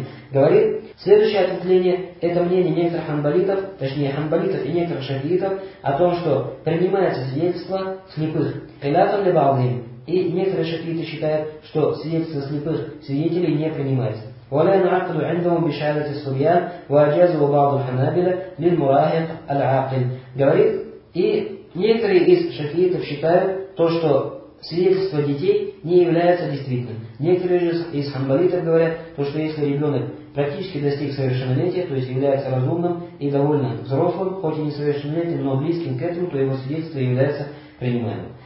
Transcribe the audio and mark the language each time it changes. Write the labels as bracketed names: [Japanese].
[Russian] Говорит, следующее ответвление, это мнение некоторых ханбалитов, точнее ханбалитов и некоторых шафиитов, о том, что принимается свидетельство слепых. [Arabic] Хилатан либалдин. [Russian] И некоторые шафииты считают, что свидетельство слепых свидетелей не принимается. [Arabic] ولا نعقد عندهم بشهادة الصبيان واجازوا بعض الحنابلة للمراهق العاقل. [Russian] Говорит, и некоторые из шафиитов считают то, что свидетельство детей не является действительным. Некоторые же из ханбалитов говорят то, что если ребенок практически достиг совершеннолетия, то есть является разумным и довольно взрослым, хоть и не совершеннолетним, но близким к этому, то его свидетельство является принимаемым.